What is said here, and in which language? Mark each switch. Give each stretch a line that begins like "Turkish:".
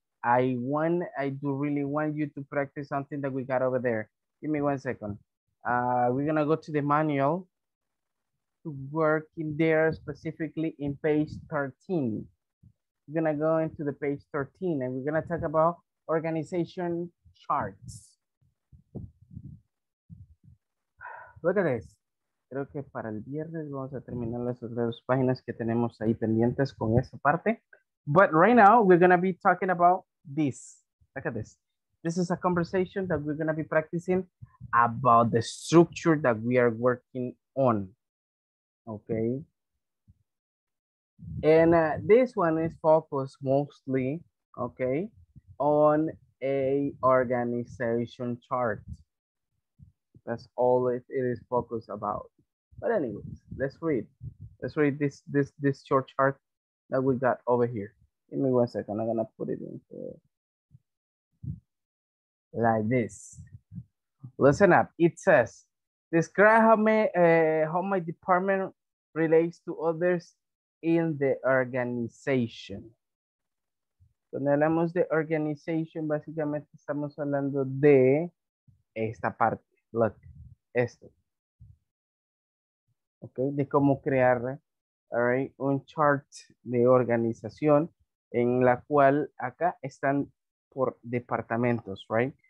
English: I do really want you to practice something that we got over there. Give me 1 second. We're going to go to the manual to work in there, specifically in page 13. We're going to go into the page 13 and we're going to talk about organization charts. Look at this.
Spanish: Creo que para el viernes vamos a terminar las otras páginas que tenemos ahí pendientes con esa parte.
English: But right now we're going to be talking about this. Look at this. This is a conversation that we're going to be practicing about the structure that we are working on. Okay. And this one is focused mostly, okay, on a organization chart. That's all it is focused about. But anyways, let's read. Let's read this short chart that we got over here. Give me 1 second, I'm gonna put it in here. Like this. Listen up, it says, describe how my department relates to others in the organization.
Spanish: Cuando hablamos de organización, básicamente estamos hablando de esta parte. Look, esto. Okay, de cómo crear, all right, un chart de organización en la cual acá están por departamentos, right?